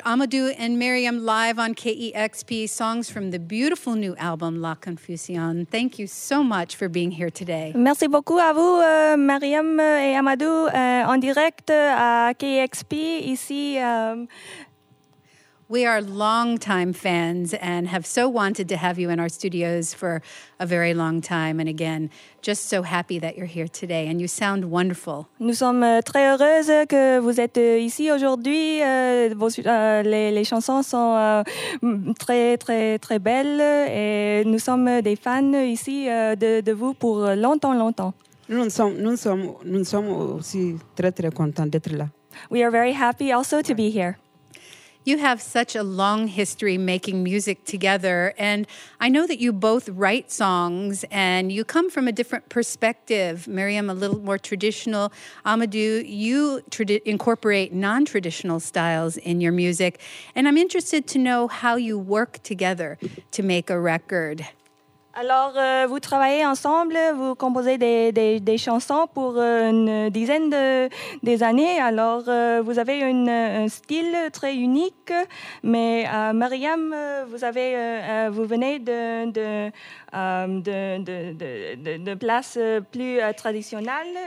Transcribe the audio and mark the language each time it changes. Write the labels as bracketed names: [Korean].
[English] Amadou and Mariam live on KEXP, songs from the beautiful new album La Confusion. Thank you so much for being here today. [French] Merci beaucoup à vous, Mariam et Amadou, en direct à KEXP ici. [English] We are longtime fans and have so wanted to have you in our studios for a very long time. And again, just so happy that you're here today. And you sound wonderful. [French] Nous sommes très heureuses que vous êtes ici aujourd'hui. Les chansons sont très, très, très belles. Et nous sommes des fans ici de vous pour longtemps, longtemps. Nous sommes aussi très, très contents d'être là. [English] We are very happy also to be here. You have such a long history making music together, and I know that you both write songs, and you come from a different perspective. Mariam, a little more traditional. Amadou, you incorporate non-traditional styles in your music, and I'm interested to know how you work together to make a record. [French] Alors, vous travaillez ensemble, vous composez des chansons pour une dizaine des années. Alors, vous avez un style très unique. Mais Mariam, vous venez de place plus traditionnelle.